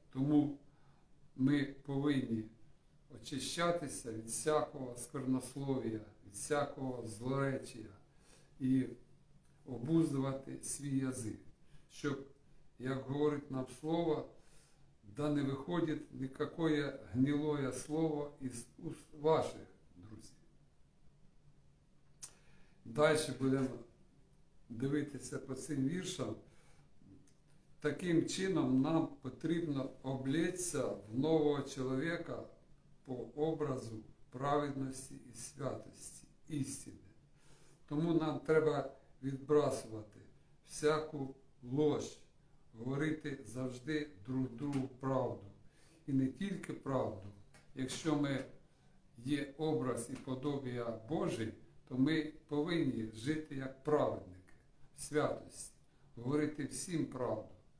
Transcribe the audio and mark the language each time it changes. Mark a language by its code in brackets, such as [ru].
[uk] Тому ми повинні очищатися від всякого сквернослов'я, від всякого злоречия і обуздувати свій язик, щоб, як говорить нам слово, [ru] да не виходит никакое гнилое слово из уст ваших, друзей. [uk] Дальше будем дивитися по цим віршам. Таким чином нам потрібно [ru] облечься в нового человека по образу праведности и святости, истины. [uk] Тому нам треба відбрасувати всяку ложь, говорити завжди друг другу правду. І не тільки правду. Якщо ми є образ і подобія Божий, то ми повинні жити як праведники, святості, говорити всім правду.